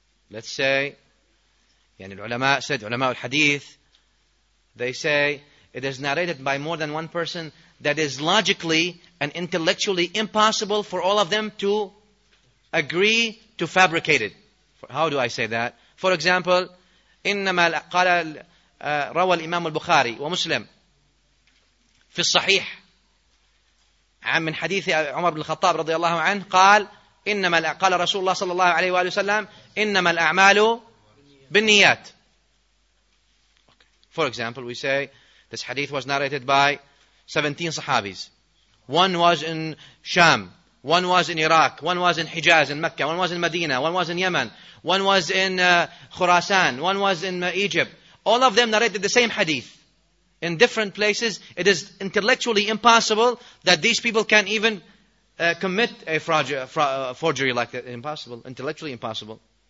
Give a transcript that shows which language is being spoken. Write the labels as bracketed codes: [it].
[en] Let's say, [ar] يعني العلماء [en] said, [ar] علماء الحديث, [en] they say, it is narrated by more than one person that is logically and intellectually impossible for all of them to agree to fabricate it. How do I say that? For example, [ar] إنما قال روى الإمام البخاري ومسلم في الصحيح عن من حديث عمر بن الخطاب رضي الله عنه قال إنما قال رسول الله صلى الله عليه وآله وسلم إنما الأعمال بالنيات. [en] For example, we say this hadith was narrated by 17 Sahabis. One was in Sham, one was in Iraq, one was in Hijaz in Mecca, one was in Medina, one was in Yemen, one was in Khurasan, one was in Egypt. All of them narrated the same hadith. In different places, it is intellectually impossible that these people can even commit a forgery like that. Impossible. Intellectually impossible.